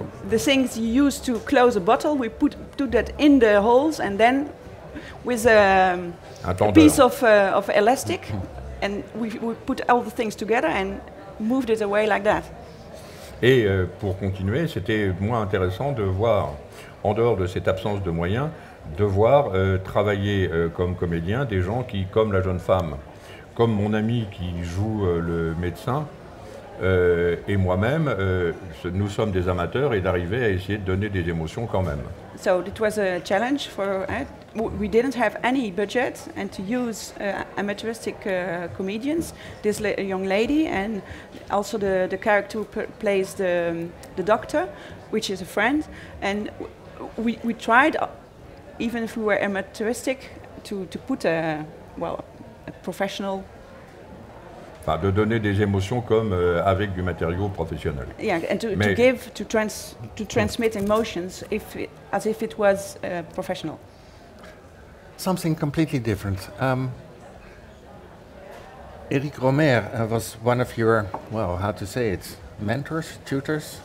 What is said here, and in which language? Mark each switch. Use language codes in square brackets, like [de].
[en] The things you use to close a bottle, we put that in the holes, and then with a piece of elastic, and we put all the things together and moved it away like that. [fr] Et pour continuer, c'était moins intéressant de voir, en dehors de cette absence de moyens, de voir travailler comme comédien des gens qui, comme la jeune femme, comme mon ami qui joue le médecin, et moi-même, nous sommes des amateurs et d'arriver à essayer de donner des émotions quand même. [en] So it was a challenge for we didn't have any budget and to use amateuristic comedians, this young lady and also the character who plays the doctor, which is a friend, and we tried, even if we were amateuristic, to put a professional. [fr] Enfin, de donner des émotions comme avec du matériau professionnel. [en] Yeah, and to transmit emotions as if it was professional. Something completely different. Eric Romer was one of your, well, how to say it, mentors, tutors?